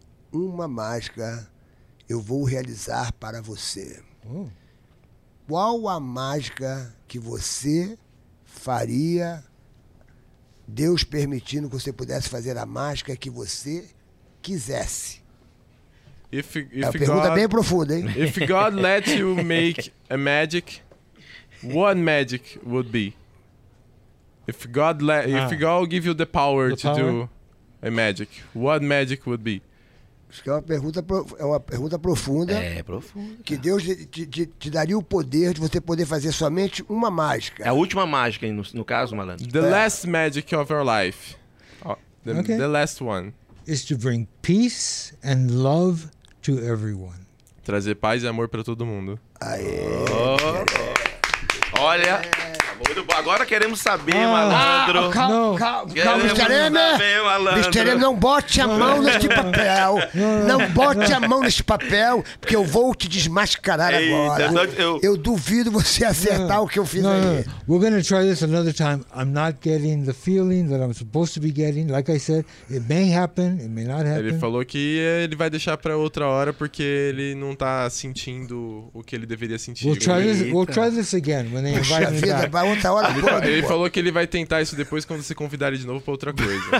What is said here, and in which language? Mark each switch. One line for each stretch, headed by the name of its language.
Portuguese: Uma mágica eu vou realizar para você. Qual a mágica que você faria, Deus permitindo que você pudesse fazer a mágica que você quisesse?
English: If God lets you make a magic, what magic would be? If God give you the power to do a magic, what magic would be?
Portuguese: Isso é uma pergunta profunda. É profunda. Que Deus te daria o poder de você poder fazer somente uma mágica. É a última mágica, no caso, malandro.
English: The last magic of your life. The last one. Is to bring peace and love to everyone.
Portuguese: Trazer paz e amor para todo mundo. Aê! Olha, agora queremos saber, malandro. Calma, Mr. Emmer, não bote a mão neste papel. Não bote a mão neste papel, porque eu vou te desmascarar. Eita, agora. Eu duvido você acertar o que eu fiz aí.
English: We're going to try this another time. I'm not getting the feeling that I'm supposed to be getting. Like I said, it may happen, it may not happen.
Portuguese: Ele falou que ele vai deixar para outra hora, porque ele não tá sentindo o que ele deveria sentir.
English: We'll try this again when they invite me back.
Portuguese: Outra hora ele falou que ele vai tentar isso depois quando se convidarem de novo pra outra coisa.